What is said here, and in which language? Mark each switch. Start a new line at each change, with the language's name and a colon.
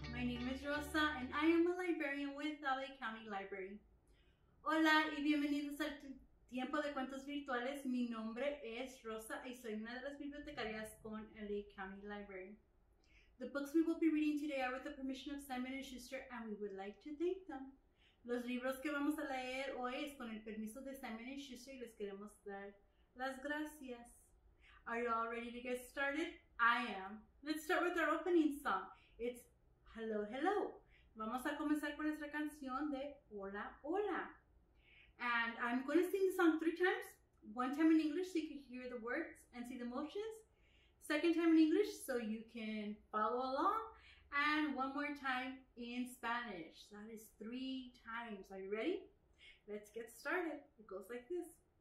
English: My name is Rosa and I am a librarian with LA County Library.
Spanish: Hola y bienvenidos al Tiempo de Cuentos Virtuales. Mi nombre es Rosa y soy una de las bibliotecarias con LA County Library.
English: The books we will be reading today are with the permission of Simon & Schuster and we would like to thank them.
Spanish: Los libros que vamos a leer hoy es con el permiso de Simon & Schuster y les queremos dar las gracias.
English: Are you all ready to get started? I am. Let's start with our opening song. It's Hello, Hello.
Spanish: Vamos a comenzar con nuestra canción de Hola, Hola.
English: And I'm going to sing the song three times. One time in English so you can hear the words and see the motions. Second time in English so you can follow along. And one more time in Spanish. That is three times. Are you ready? Let's get started. It goes like this.